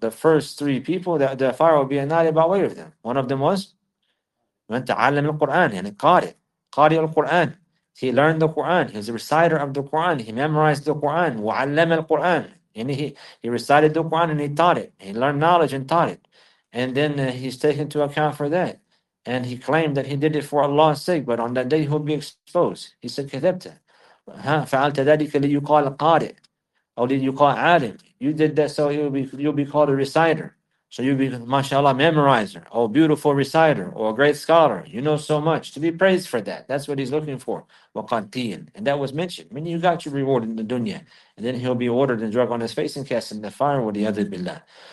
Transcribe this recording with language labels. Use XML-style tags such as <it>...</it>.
<en>The first three people that the fire will be annihilated by way of them. One of them was</en> <ar>مَنْ تَعَلَّمِ الْقُرْآنِ,</ar> <en>and</en> <ar>قَارِي الْقُرْآنِ.</ar> <en>He learned the Qur'an. He was a reciter of the Qur'an. He memorized the Qur'an.</en> <ar>وَعَلَّمَ الْقُرْآنِ,</ar> <en>and he recited the Qur'an and he taught it. He learned knowledge and taught it. And then he's taken to account for that. And he claimed that he did it for Allah's sake, but on that day he'll be exposed. He said,</en> <ar>كَذَبْتَ فَعَلْتَ ذَلِكَ لِيُقَالَ قَارِئ أَوْ لِيُقَالَ عَالِم.</ar> <en>You did that so you'll be called a reciter. So you'll be, mashallah, memorizer, or beautiful reciter, or a great scholar. You know so much. To be praised for that. That's what he's looking for.</en> <ar>وَقَانْتِينَ.</ar> <en>And that was mentioned. I mean, you got your reward in the dunya. And then he'll be ordered and drug on his face and cast in the fire with the other billah.</en>